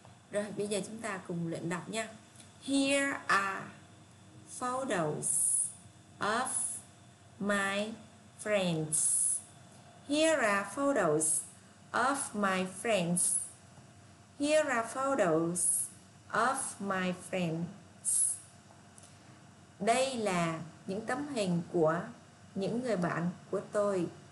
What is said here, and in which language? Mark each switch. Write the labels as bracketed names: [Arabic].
[Vietnamese] Rồi bây giờ chúng ta cùng luyện đọc nha. [English] Here are photos of my friends. Here are photos of my friends. Here are photos of my friends. [Vietnamese] Đây là những tấm hình của những người bạn của tôi.